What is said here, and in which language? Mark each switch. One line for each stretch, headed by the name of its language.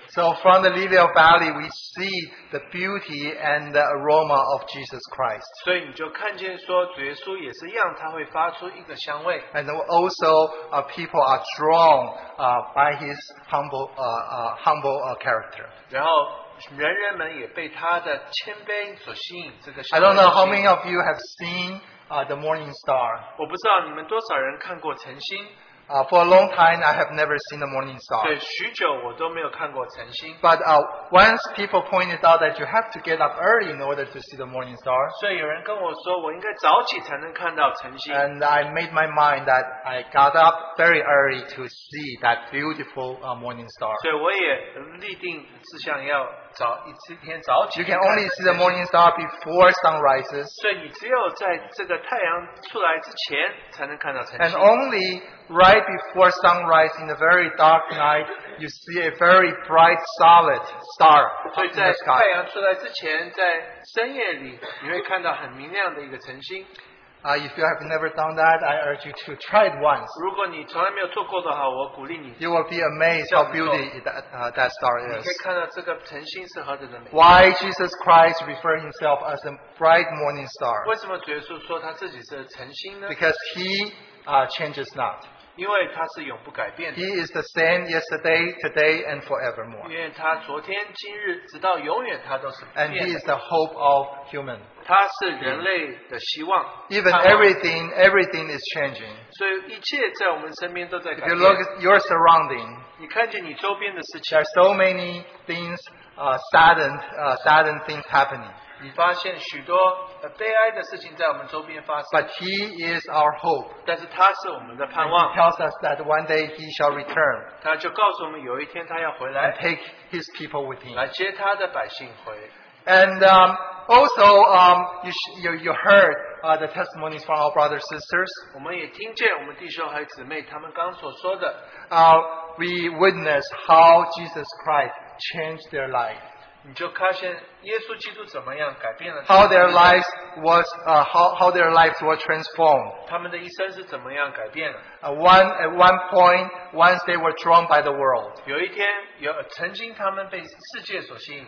English: So from the lily of valley, we see the beauty and the aroma of Jesus Christ.
Chinese: 所以你就看见说主耶稣也是一样,他会发出一个香味。
English: And also, people are drawn by his humble character.
Chinese: 然后人人们也被他的谦卑所吸引这个香味。
English: I don't know how many of you have seen the morning star.
Chinese: 我不知道你们多少人看过晨星。
English: For a long time, I have never seen the morning star.
Chinese: 对,许久我都没有看过晨星。
English: But once people pointed out that you have to get up early in order to see the morning star,
Chinese: 所以有人跟我说,我应该早起才能看到晨星。
English: And I made my mind that I got up very early to see that beautiful morning star.
Chinese: 所以我也立定志向要早一天早起。
English: You can only see the morning star before sun rises.
Chinese: 所以你只有在这个太阳出来之前才能看到晨星。
English: And only right before sunrise, in the very dark night, you see a very bright, solid star in the sky. If you have never done that, I urge you to try it once.
Chinese: 如果你从来没有做过的话, 我鼓励你,
English: you will be amazed how beautiful that star is.
Chinese: 你可以看到这个晨星是何等的美丽。
English: Why Jesus Christ referred himself as a bright morning star?
Chinese: 为什么主耶稣说他自己是晨星呢?
English: Because he changes not. He is the same yesterday, today, and forevermore.
Chinese: 因为他昨天,今日,直到永远,他都是不变的。
English: And he is the hope of human.
Chinese: 他是人类的希望,
English: even everything is changing.
Chinese: 所以一切在我们身边都在改变。
English: If you look at your surrounding,
Chinese: 你看见你周边的事情,
English: there are so many things, sudden things happening.
Chinese: 你发现许多悲哀的事情在我们周边发生,
English: but he is our hope.
Chinese: 但是他是我们的盼望,
English: he tells us that one day he shall return.
Chinese: 他就告诉我们有一天他要回来,
English: and take his people with him.
Chinese: 来接他的百姓回。
English: And also, you heard the testimonies from our brothers and sisters.
Chinese: 我们也听见我们弟兄和姊妹他们刚所说的,
English: we witness how Jesus Christ changed their life.
Chinese: 你就发现耶稣基督怎么样改变了,
English: how their lives were transformed.
Chinese: 他们的一生是怎么样改变了?
English: At one point, once they were drawn by the world,
Chinese: 有一天, 曾经他们被世界所吸引,